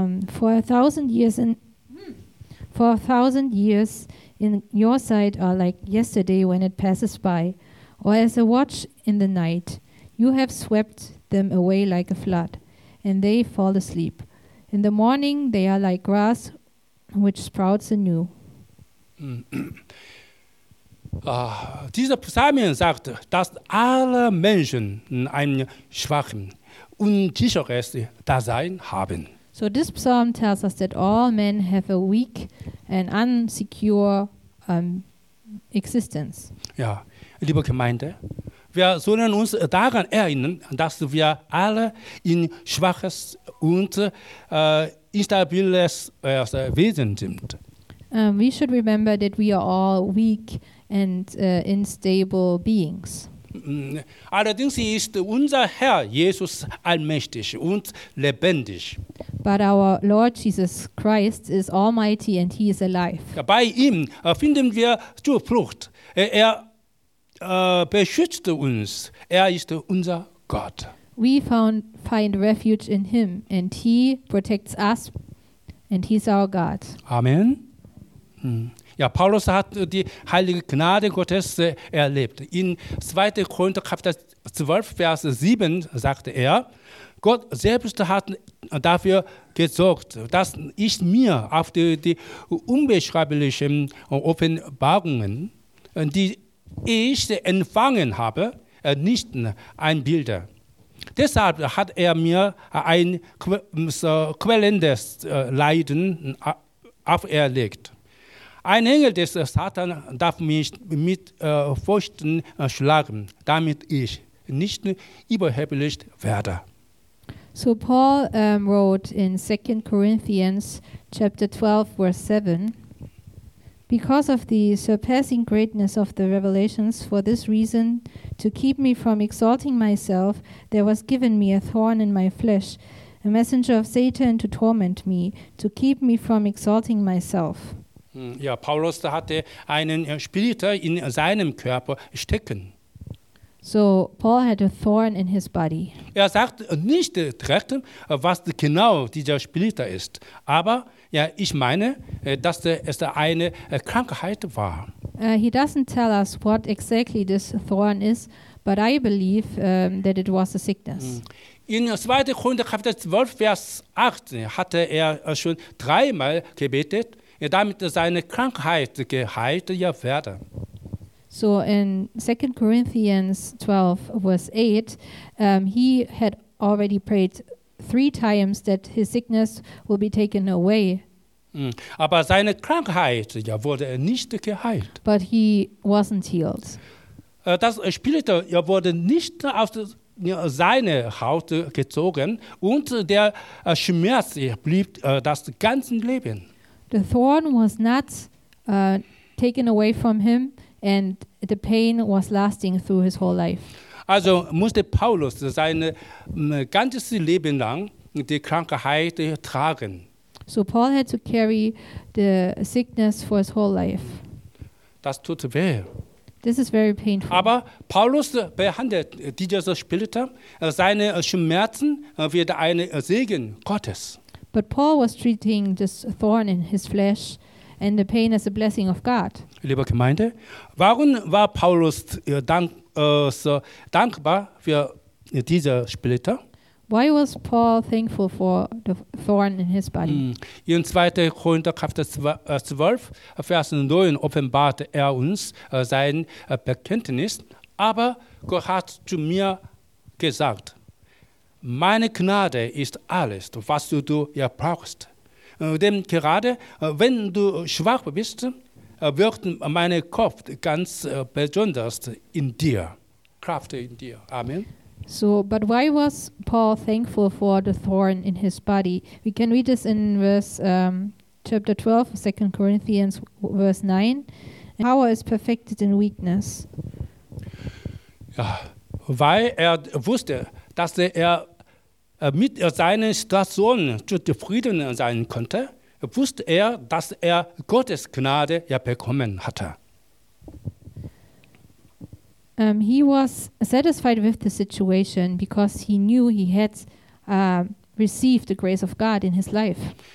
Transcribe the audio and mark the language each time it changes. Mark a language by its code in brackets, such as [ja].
[en] For a thousand years in your sight are like yesterday when it passes by, or as a watch in the night. You have swept them away like a flood, and they fall asleep. In the morning they are like grass which sprouts anew. [de] Dieser Psalm sagt, dass alle Menschen ein schwaches, unsicheres Dasein haben. [en] So this psalm tells us that all men have a weak and unsecure existence. [de] Ja, liebe Gemeinde, wir sollen uns daran erinnern, dass wir alle in schwaches und instabiles Wesen sind. [en] We should remember that we are all weak and unstable beings. [de] Allerdings ist unser Herr Jesus allmächtig und lebendig. [en] But our Lord Jesus Christ is almighty and he is alive. [de] Bei ihm finden wir Zuflucht. Er beschützt uns. Er ist unser Gott. [en] We find refuge in him and he protects us and he is our God. Amen. [de] Ja, Paulus hat die heilige Gnade Gottes erlebt. In 2. Korinther Kapitel 12, Vers 7 sagte er, Gott selbst hat dafür gesorgt, dass ich mir auf die unbeschreiblichen Offenbarungen, die ich empfangen habe, nicht einbilde. Deshalb hat er mir ein quälendes Leiden auferlegt. Ein Engel des Satan darf mich mit Fäusten schlagen, damit ich nicht überheblich werde. [en] So Paul wrote in 2 Corinthians chapter 12, verse 7, because of the surpassing greatness of the revelations, for this reason, to keep me from exalting myself, there was given me a thorn in my flesh, a messenger of Satan to torment me, to keep me from exalting myself. [de] Ja, Paulus hatte einen Splitter in seinem Körper stecken. [en] So Paul had a thorn in his body. [de] Er sagt nicht direkt, was genau dieser Splitter ist, aber ja, ich meine, dass es eine Krankheit war. [en] He doesn't tell us what exactly this thorn is, but I believe that it was a sickness. [de] In 2. Korinther Kapitel 12 Vers 8 hatte er schon dreimal gebetet, damit seine Krankheit geheilt werde. [en] So in 2 Corinthians 12, verse 8, he had already prayed 3 times that his sickness will be taken away. [de] Aber seine Krankheit wurde nicht geheilt. [en] But he wasn't healed. [de] Das Splitter wurde nicht aus seine Haut gezogen und der Schmerz blieb das ganze Leben. [en] The thorn was not taken away from him and the pain was lasting through his whole life. [de] Also musste Paulus sein ganzes Leben lang die Krankheit tragen. [en] So Paul had to carry the sickness for his whole life. [de] Das tut weh. [en] This is very painful. [de] Aber Paulus behandelt dieses Splitter, seine Schmerzen wird ein Segen Gottes. [en] But Paul was treating this thorn in his flesh and the pain as a blessing of God. [de] Liebe Gemeinde, warum war Paulus so dankbar für diese Splitter? [en] Why was Paul thankful for the thorn in his body? [de] In 2. Korinther Kapitel 12, Vers 9 offenbarte er uns sein Bekenntnis, aber Gott hat zu mir gesagt, meine Gnade ist alles, was du brauchst. Denn gerade wenn du schwach bist, wirkt mein Kopf ganz besonders in dir. Kraft in dir. Amen. [en] So, but why was Paul thankful for the thorn in his body? We can read this in verse chapter 12, 2 Corinthians, verse 9. Power is perfected in weakness. [de] Ja, weil er wusste, dass er mit seiner Situation zufrieden sein konnte, wusste er, dass er Gottes Gnade bekommen hatte. [en] He was satisfied with the situation because he knew he had received the grace of God in his life.